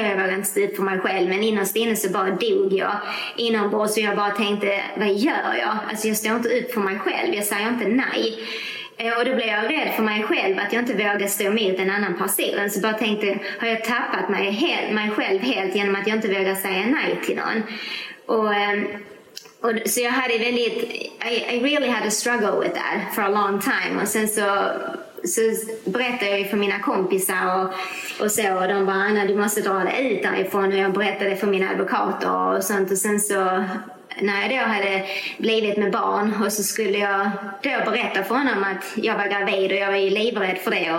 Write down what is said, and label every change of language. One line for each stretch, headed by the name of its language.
Swedish: Och jag vågade inte stå upp för mig själv. Men innerst inne så bara dog jag inombords. Så jag bara tänkte, vad gör jag? Alltså jag står inte upp för mig själv. Jag säger inte nej. Och då blev jag rädd för mig själv att jag inte vågar stå emot en annan person. Så bara tänkte, har jag tappat mig själv helt genom att jag inte vågar säga nej till någon? Och så jag hade väldigt,
English: I really had a struggle with that for a long time.
Swedish: Och sen så berättade jag för mina kompisar och så. Och de bara, Anna, du måste dra dig ut därifrån. Och jag berättade för mina advokater och sånt. Och sen så... när jag då hade blivit med barn och så skulle jag då berätta för honom att jag var gravid och jag var ju livrädd för det.